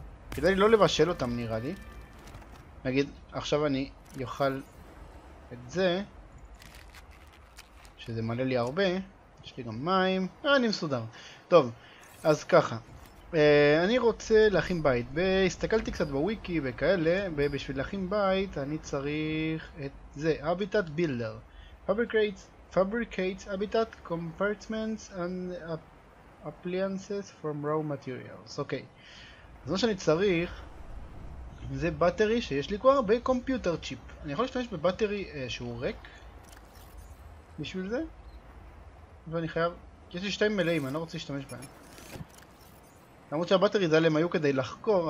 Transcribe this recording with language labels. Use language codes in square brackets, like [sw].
[he] כדאי לי לא לבשל אותם נראה לי. נגיד, עכשיו אני אוכל את זה, שזה מלא לי הרבה. יש לי גם מים, אני מסודר. טוב, אז ככה, אני רוצה להכין בית. הסתכלתי קצת בוויקי וכאלה, ובשביל להכין בית אני צריך את זה, Habitat Builder. [en] Fabricates habitat compartments and appliances from raw materials. [he] אוקיי. אז מה שאני צריך זה בטרי שיש לי כבר בקומפיוטר צ'יפ. אני יכול להשתמש בבטרי שהוא ריק בשביל זה, ואני חייב, יש לי שתי מלאים, אני לא רוצה להשתמש בהם, למרות שהבטרי זה עליהם היו כדי לחקור.